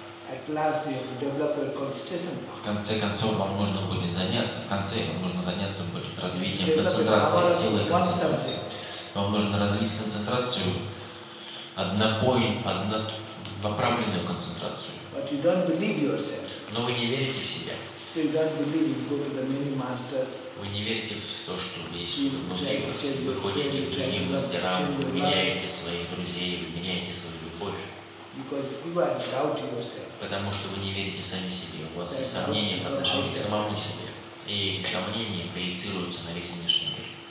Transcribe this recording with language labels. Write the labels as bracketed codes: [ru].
[en] At last, you have to develop your concentration. [ru] В конце концов вам нужно будет заняться. В конце вам нужно заняться будет развитием концентрации силы концентрации. Вам нужно развить концентрацию однонаправленную концентрацию. [en] But you don't believe yourself. [ru] Но вы не верите в себя. [en] So you don't believe you go to the many masters. [ru] Вы не верите в то, что если вы многие вы ходите к другим мастерам, вы меняете своих друзей, вы меняете свою любовь. [en] Because you are doubting yourself. [ru] Потому что вы не верите сами себе. У вас есть сомнения по отношению к самому себе. И эти сомнения проецируются на весь внешний мир.